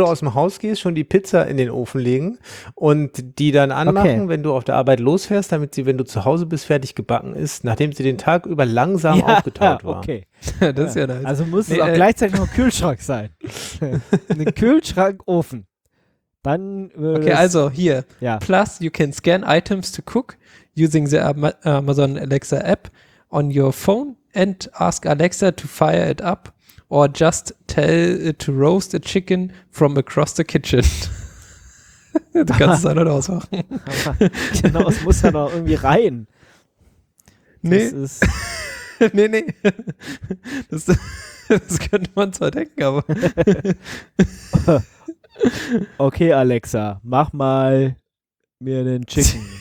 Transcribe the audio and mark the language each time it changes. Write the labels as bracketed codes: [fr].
[de] du aus dem Haus gehst, schon die Pizza in den Ofen legen und die dann anmachen, okay, wenn du auf der Arbeit losfährst, damit sie, wenn du zu Hause bist, fertig gebacken ist, nachdem sie den Tag über langsam aufgetaut war. Okay. Das ist ja nice. Also muss es auch gleichzeitig noch ein Kühlschrank sein. Ein Kühlschrank-Ofen. Dann okay, also hier. Ja. [en] Plus, you can scan items to cook using the Amazon Alexa app on your phone and ask Alexa to fire it up. Or just tell it to roast a chicken from across the kitchen. [de] Du kannst es einfach ausmachen. Genau, es muss ja noch irgendwie rein. Nee. Das ist nee. Das könnte man zwar denken, aber. Okay, Alexa, mach mal mir einen Chicken.